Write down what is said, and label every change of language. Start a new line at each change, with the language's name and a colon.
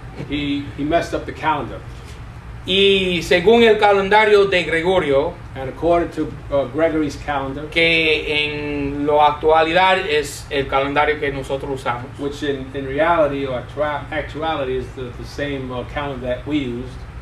English: He messed up the calendar.
Spanish: Y según el calendario de Gregorio,
English: and according to Gregory's calendar,
Spanish: que en la actualidad es el calendario que nosotros usamos,
English: which in reality or actuality is the same calendar that we used,